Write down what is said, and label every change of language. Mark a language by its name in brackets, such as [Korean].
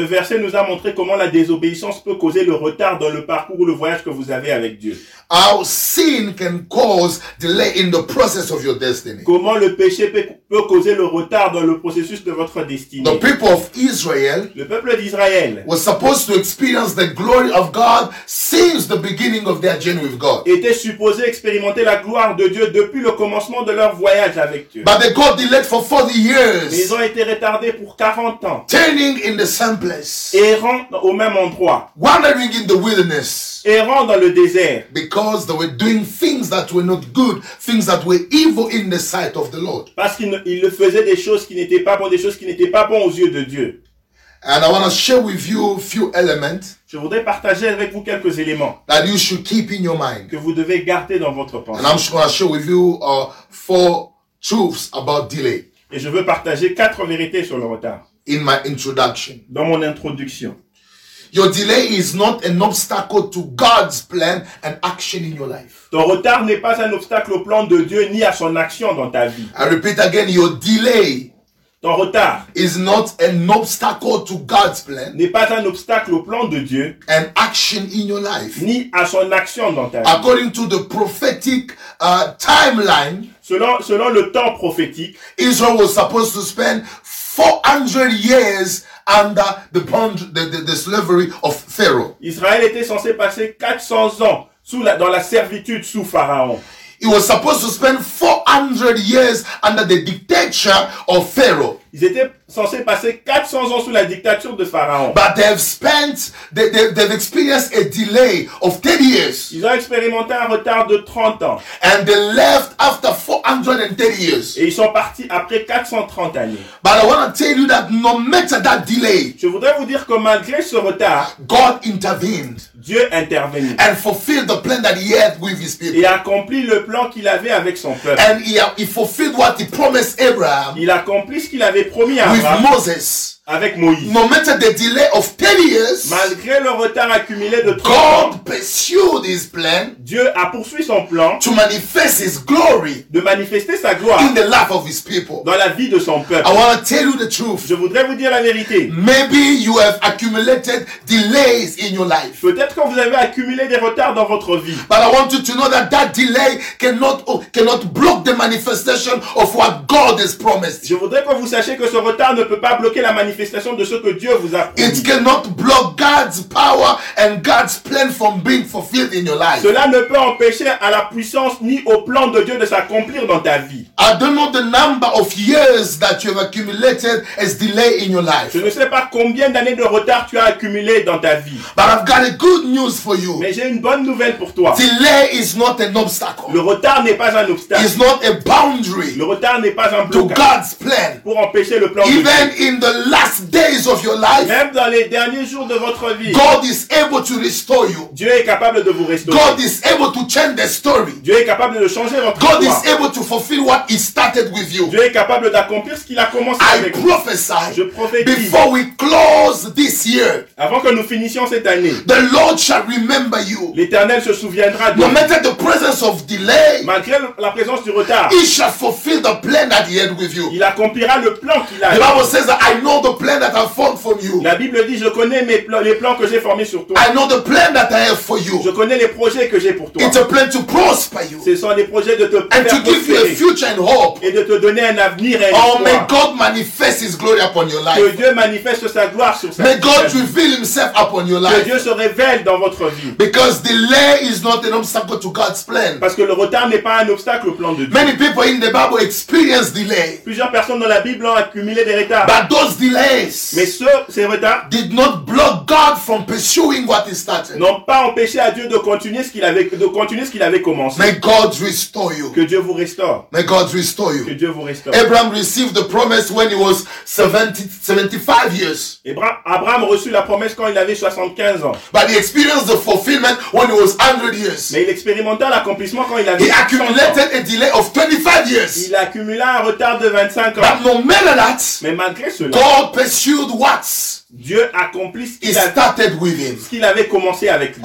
[French] Ce verset nous a montré comment la désobéissance peut causer le retard dans le parcours ou le voyage que vous avez avec Dieu. [English] How sin can cause delay in the process of your destiny. [French] Comment le péché peut causer le retard dans le processus de votre destinée. [English] The people of Israel, [French] le peuple d'Israël, [English] was supposed to experience the glory of God since the beginning of their journey with God. [French] Était supposé expérimenter la gloire de Dieu depuis le commencement de leur voyage avec Dieu. [English] But they got delayed for 40 years. [French] Ils ont été retardés pour 40 ans. [English] Turning in the same place. [French] Errant au même endroit. [English] Wandering in the wilderness. [French] Errant dans le désert. [English] Because they were doing things that were not good, things that were evil in the sight of the Lord. [French] Parce qu'ils le faisaient des choses qui n'étaient pas bonnes, des choses qui n'étaient pas bonnes aux yeux de Dieu. [English] And I want to share with you a few elements. [French] Je voudrais partager avec vous quelques éléments. [English] That you should keep in your mind. [French] Que vous devez garder dans votre pensée. [English] And I'm going to share with you four truths about delay. [French] Et je veux partager quatre vérités sur le retard. [English] In my introduction. [French] Dans mon introduction. [English] Your delay is not an obstacle to God's plan and action in your life. [French] Ton retard n'est pas un obstacle au plan de Dieu ni à son action dans ta vie. [English] I repeat again, your delay. [French] Ton retard [English] is not an obstacle to God's plan. [French] N'est pas un obstacle au plan de Dieu. [English] And action in your life. [French] Ni à son action dans ta vie. [English] According to the prophetic timeline. [French] Selon le temps prophétique. [English] Israel was supposed to spend 400 years under the slavery of Pharaoh. [French] Israël était censé passer 400 ans dans la servitude sous Pharaon. [English] He was supposed to spend 400 years under the dictature of Pharaoh. [French] Ils étaient censés passer 400 ans sous la dictature de Pharaon. [English] But they've experienced a delay of 30 years. [French] Ils ont expérimenté un retard de 30 ans. [English] And they left after 430 years. [French] Et ils sont partis après 430 années. [English] But I want to tell you that no matter that delay, [French] je voudrais vous dire que malgré ce retard, [English] God intervened. [French] Dieu intervenu. [English] And fulfilled the plan that he had with his people. [French] Et accomplit le plan qu'il avait avec son peuple. [English] And he fulfilled what he promised Abraham. [French] Il accomplit ce qu'il avait promis à [English] Moses. [French] avec Moïse. [English] No matter the delay of 10 years, [French] malgré le retard accumulé de 30 ans, plan, Dieu a poursuivi son plan [English] to manifest his glory, [French] de manifester sa gloire [English] in the life of his people, [French] dans la vie de son peuple. [English] I want to tell you the truth. [French] Je voudrais vous dire la vérité. [English] Maybe you have accumulated delays in your life. [French] Peut-être que vous avez accumulé des retards dans votre vie. [English] But I want you to know that that delay cannot block the manifestation of what God has promised. [French] Je voudrais que vous sachiez que ce retard ne peut pas bloquer la manifestation de ce que Dieu vous a promis. [English] It cannot block God's power and God's plan from being fulfilled in your life. [French] Cela ne peut empêcher à la puissance ni au plan de Dieu de s'accomplir dans ta vie. [English] I don't know the number of years that you have accumulated as delay in your life. [French] Je ne sais pas combien d'années de retard tu as accumulé dans ta vie. [English] But I've got a good news for you. [French] Mais j'ai une bonne nouvelle pour toi. [English] Delay is not an obstacle. [French] Le retard n'est pas un obstacle. [English] It's not a boundary. [French] Le retard n'est pas un blocage. [English] To God's plan. [French] Pour empêcher le plan [English] Even [French] de Dieu. [English] Even in the last days of your life, [French] même dans les derniers jours de votre vie, [English] God is able to restore you. [French] Dieu est capable de vous restaurer. [English] God is able to change the story. [French] Dieu est capable de changer votre [English] God [French] histoire. [English] God is able to fulfill what He started with you. [French] Dieu est capable d'accomplir ce qu'il a commencé [English] I [French] avec vous. [English] I prophesy. [French] Je prophétise. [English] Before we close this year, [French] avant que nous finissions cette année, [English] the Lord shall remember you. [French] L'Éternel se souviendra de [English] no [French] vous. [English] No matter the presence of delay, [French] malgré la présence du retard, [English] He shall fulfill the plan that He had with you. [French] Il accomplira le plan qu'il a. [English] The Bible says that I know the plan that I've formed for you. [French] La Bible dit, je connais mes plans, les plans que j'ai formés sur toi. [English] I know the plan that I have for you. [French] Je connais les projets que j'ai pour toi. [English] It's a plan to prosper you. [French] Ce sont des projets de te [English] and to give you a future and hope. [French] Et de te donner un avenir et un espoir. [English] Oh, may God manifest His glory upon your life. [French] Que Dieu manifeste sa gloire sur sa [English] May God reveal Himself upon your life. [French] Que Dieu se révèle dans votre vie. [English] Because delay is not an obstacle to God's plan. [French] Parce que le retard n'est pas un obstacle au plan de Dieu. [English] Many people in the Bible experience delay. [French] Plusieurs personnes dans la Bible ont accumulé des retards. [English] But those delays, [French] mais ces retards, [English] did not block God from pursuing what He started. [French] N'ont pas empêché à Dieu de continuer ce qu'il avait commencé. [English] May God restore you. [French] Que Dieu vous restaure. [English] May God restore you. [French] Que Dieu vous restaure. [English] Abraham received the promise when he was 75 years. [French] Abraham reçut la promesse quand il avait 75 ans. [English] But he experienced the fulfillment when he was 100 years. [French] Mais il expérimenta l'accomplissement quand il avait [English] He accumulated a delay of 25 years. [French] Il accumula un retard de 25 ans. [English] But no matter that, [French] mais malgré cela, [English] God pursued what? [French] Dieu accomplit ce qu'il avait commencé avec lui.